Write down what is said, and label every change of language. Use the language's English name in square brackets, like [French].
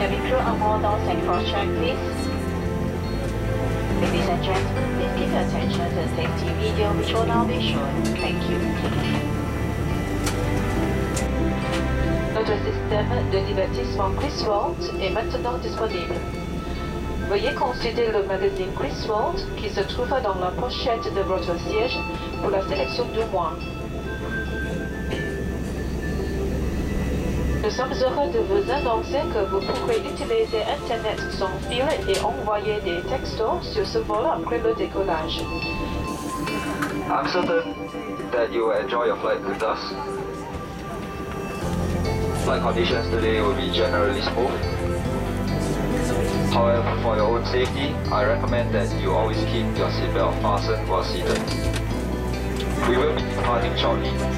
[English] Aboard all Singapore check, please. Ladies and gentlemen, please give attention to the safety video which will now be shown. Thank you. [French] Notre système de divertissement Chris World est maintenant disponible. Veuillez consulter le magazine Chris World qui se trouve dans la pochette de votre siège pour la sélection du mois. Nous sommes heureux de vous annoncer que vous pourrez utiliser Internet sans fil et envoyer des textos sur ce vol après le décollage. [English] I'm certain that you will enjoy your flight with us. Flight conditions today will be generally smooth. However, for your own safety, I recommend that you always keep your seatbelt fastened while seated. We will be departing shortly.